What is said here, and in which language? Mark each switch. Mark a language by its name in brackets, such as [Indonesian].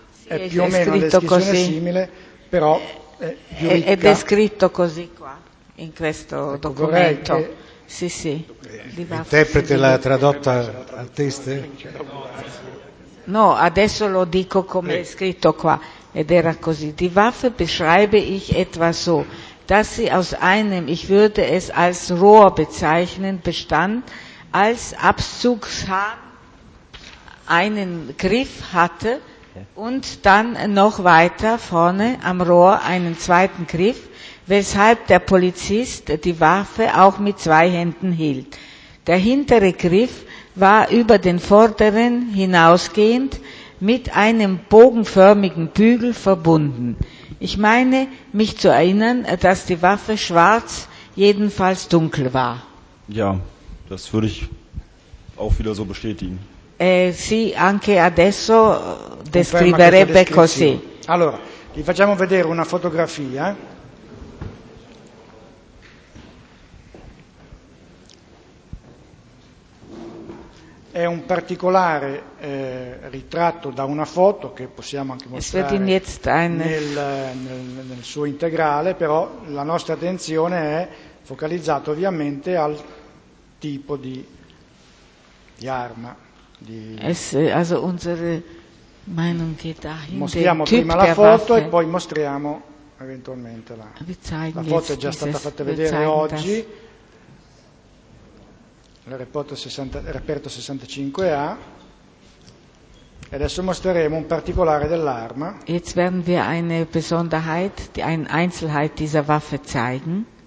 [Italian] Sì, è più o meno una descrizione così. Simile, però è più ricca. È descritto così qua, in questo documento. Sì, sì. Interprete l'ha tradotta al teste? No, adesso lo dico come è scritto qua. Ed era così. [German] Die Waffe beschreibe ich etwa so, dass sie aus einem, ich würde es als Rohr bezeichnen, bestand, als Abzugshahn einen Griff hatte und dann noch weiter vorne am Rohr einen zweiten Griff, weshalb der Polizist die Waffe auch mit zwei Händen hielt. Der hintere Griff war über den vorderen hinausgehend mit einem bogenförmigen Bügel verbunden. Ich meine, mich zu erinnern, dass die Waffe schwarz, jedenfalls dunkel war. Ja, das würde ich auch wieder so bestätigen. [Italian] Sì, anche adesso descriverebbe così. Allora, vi facciamo vedere una fotografia. È un particolare ritratto da una foto che possiamo anche mostrare nel suo integrale, però la nostra attenzione è focalizzata ovviamente al tipo di arma. [German] Also unsere Meinung geht dahin. [Italian] Mostriamo prima la foto e poi mostriamo eventualmente la. La foto è già stata fatta vedere oggi. Il reperto 65A e adesso mostreremo un particolare dell'arma. [German] Jetzt werden wir eine Besonderheit, eine Einzelheit dieser Waffe zeigen.